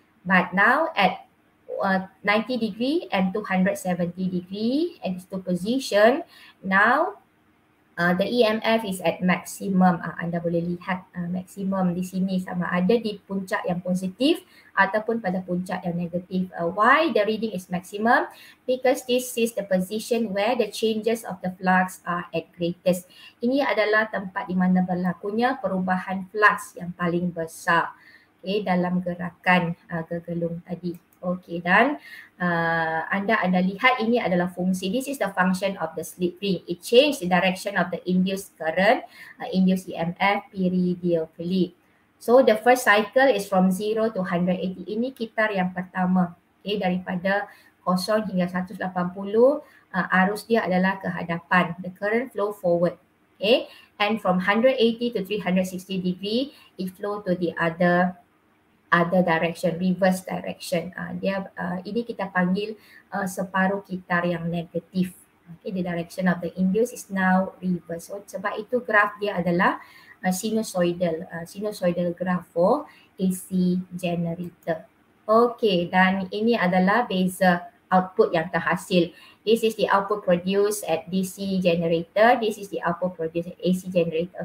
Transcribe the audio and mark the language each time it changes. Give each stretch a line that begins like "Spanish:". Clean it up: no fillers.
English: But now at 90 degree and 270 degree at this two position, now the EMF is at maximum.
Malay: Anda boleh lihat maximum di sini sama ada di puncak yang positif ataupun pada puncak yang negatif.
English: Why the reading is maximum? Because this is the position where the changes of the flux are at greatest.
Malay: Ini adalah tempat di mana berlakunya perubahan flux yang paling besar. Okay, dalam gerakan gegelung tadi. Okay, dan anda lihat ini adalah fungsi.
English: This is the function of the slip ring. It changes the direction of the induced current, induced EMF periodically. So the first cycle is from 0 to 180.
Malay: Ini kitar yang pertama. Okay, daripada 0 hingga 180, arus dia adalah ke hadapan.
English: The current flow forward. Okay, and from 180 to 360 degree, it flow to the other direction, reverse direction.
Malay: Dia ini kita panggil separuh kitar yang negatif.
English: Okay, the direction of the induced is now reverse.
Malay: So, sebab itu graf dia adalah sinusoidal.
English: Sinusoidal graph for AC generator.
Malay: Okay, dan ini adalah beza output yang terhasil.
English: This is the output produced at DC generator. This is the output produced at AC generator.